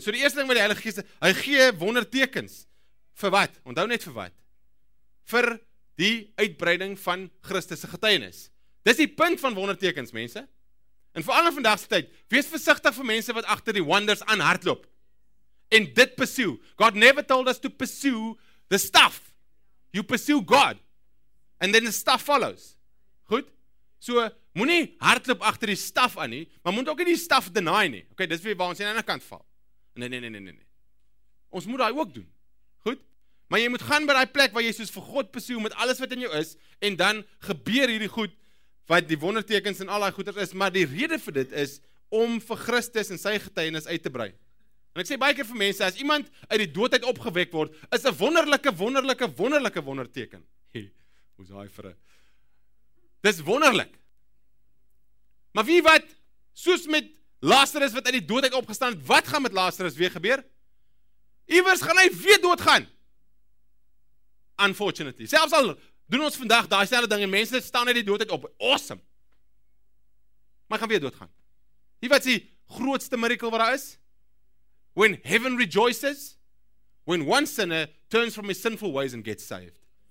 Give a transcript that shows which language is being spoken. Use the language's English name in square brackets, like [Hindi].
[Afrikaans] So die eerste ding wat die Heilige Gees, hy gee wondertekens. Vir wat? Onthou net vir wat? Vir die uitbreiding van Christus se getuienis. Dis die punt van wondertekens, mense. En vir alle vandag se tyd, wees versigtig vir mense wat agter die wonders aan hardloop. En dit pursue. [English] God never told us to pursue the stuff. You pursue God. And then the stuff follows. [Afrikaans] Goed? So moenie hardloop agter die staf aan nie, maar moet ook nie die staf deny nie. OK, dis weer waar ons aan die ander kant val. Nee. Ons moet daai ook doen. Goed? Maar jy moet gaan by daai plek waar jy soos vir God pursue met alles wat in jou is en dan gebeur hierdie goed wat die wondertekens en al daai goeders is, maar die rede vir dit is om vir Christus en sy getuienis uit te brei. En ek sê baie keer vir mense as iemand uit die dood uit opgewek word, is 'n wonderlike wonderteken. Hoe's daai vir 'n? Dis wonderlik. Maar wie wat, soos met Lazarus wat uit die dood uit opgestaan het, wat gaan met Lazarus weer gebeur? Iewers gaan hy weer doodgaan. Unfortunately. Selfs al doen ons vandag daai selfde ding en mense staan uit die dood uit op. Awesome. Maar gaan weer doodgaan. Wie wat is die grootste miracle wat daar is? [English] When heaven rejoices, when one sinner turns from his sinful ways and gets saved.